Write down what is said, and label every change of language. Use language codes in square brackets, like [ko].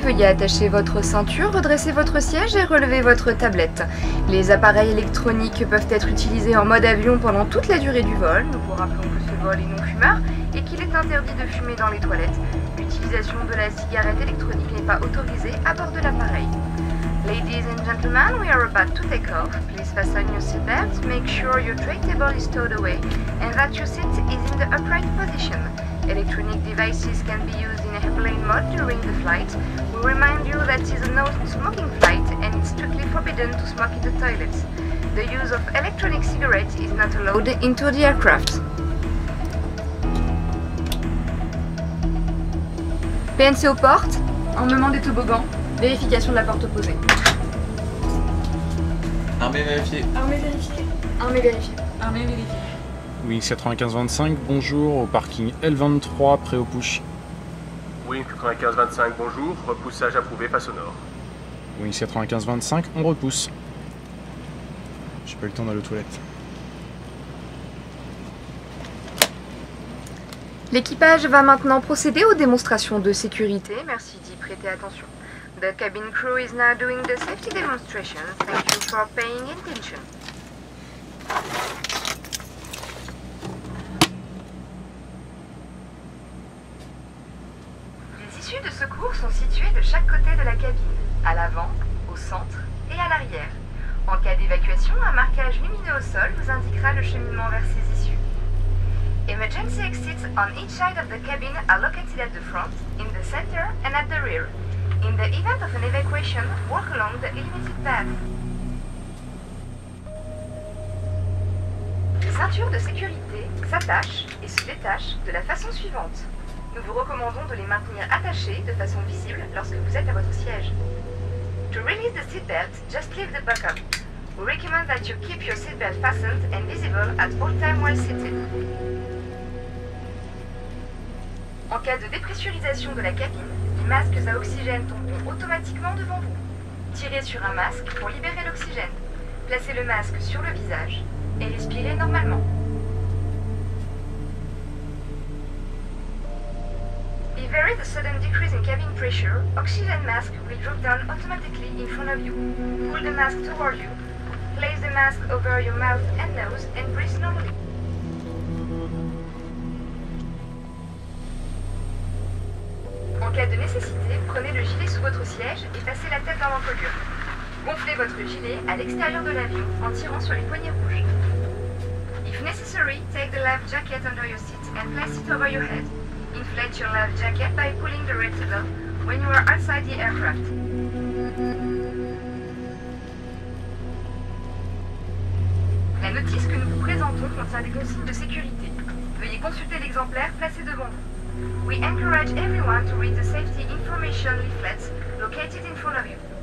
[fr] Veuillez attacher votre ceinture, redresser votre siège et relever votre tablette. Les appareils électroniques peuvent être utilisés en mode avion pendant toute la durée du vol. Nous vous rappelons que ce vol est non-fumeur et qu'il est interdit de fumer dans les toilettes. L'utilisation de la cigarette électronique n'est pas autorisée à bord de l'appareil. [en] Ladies and gentlemen, we are about to take off. Please fasten your seatbelt, make sure your tray table is stowed away and that your seat is in the upright position. Electronic devices can be used in airplane mode during the flight. We remind you that it is a no-smoking flight and it's strictly forbidden to smoke in the toilets. The use of electronic cigarettes is not allowed into the aircraft. [fr] PNC aux portes, armement des toboggans, vérification de la porte opposée. Armée vérifiée. Armée vérifiée. Armée vérifiée. Armée vérifiée. Armée vérifiée. Wings 9525, bonjour, au parking L23, prêt au push. Wings 9525, bonjour, repoussage approuvé face au nord. Wings 9525, on repousse. J'ai pas eu le temps d'aller aux toilettes. L'équipage va maintenant procéder aux démonstrations de sécurité. Merci d'y prêter attention. [en] The cabin crew is now doing the safety demonstration. Thank you for paying attention. [fr] Les issues de secours sont situées de chaque côté de la cabine, à l'avant, au centre et à l'arrière. En cas d'évacuation, un marquage lumineux au sol vous indiquera le cheminement vers ces issues. [en] Emergency exits on each side of the cabin are located at the front, in the center and at the rear. In the event of an evacuation, walk along the illuminated path. [fr] Les ceintures de sécurité s'attachent et se détachent de la façon suivante. Nous vous recommandons de les maintenir attachées de façon visible lorsque vous êtes à votre siège. [en] To release the seatbelt, just leave the buckle. We recommend that you keep your seatbelt fastened and visible at all times while seated. [fr] En cas de dépressurisation de la cabine, les masques à oxygène tomberont automatiquement devant vous. Tirez sur un masque pour libérer l'oxygène. Placez le masque sur le visage et respirez normalement. [en] If there is a sudden decrease in cabin pressure, oxygen mask will drop down automatically in front of you. Pull the mask toward you. Place the mask over your mouth and nose and breathe normally. [fr] En cas de nécessité, prenez le gilet sous votre siège et passez la tête dans l'encolure. Gonflez votre gilet à l'extérieur de l'avion en tirant sur les poignées rouges. [en] If necessary, take the life jacket under your seat and place it over your head. Inflate your life jacket by pulling the red lever when you are outside the aircraft. [fr] La notice que nous vous présentons contient des consignes de sécurité. Veuillez consulter l'exemplaire placé devant vous. [en] We encourage everyone to read the safety information leaflets located in front of you.